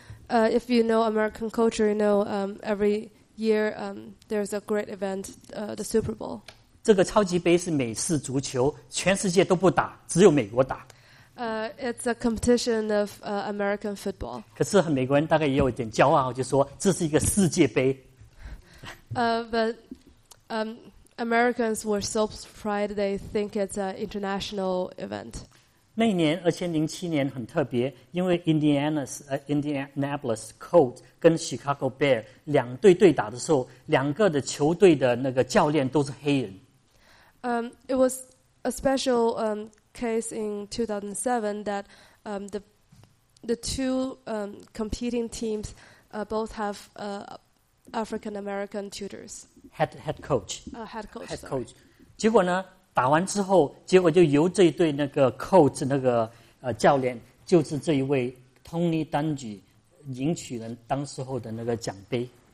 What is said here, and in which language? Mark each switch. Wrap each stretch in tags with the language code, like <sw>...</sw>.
<en>If you know American culture, you know every year there's a great event, the Super Bowl.</en> <zh>这个超级杯是美式足球，全世界都不打，只有美国打。</zh> <en>It's a competition of American football.</en> <zh>可是美国人大概也有一点骄傲，就说这是一个世界杯。</zh> <en>But Americans were so pride they think it's an international event.</en> <zh>那一年2007年很特别，因为 Indianapolis Colts 跟 Chicago Bear 两队对打的时候，两个的球队的那个教练都是黑人。</zh> <en>It was a special case in 2007 that the two competing teams both have African American tutors. Head coach.</en> <zh>结果呢？打完之后，结果就由这一队那个 coach 那个教练，就是这一位 Tony Dungy 赢取了当时候的那个奖杯。</zh>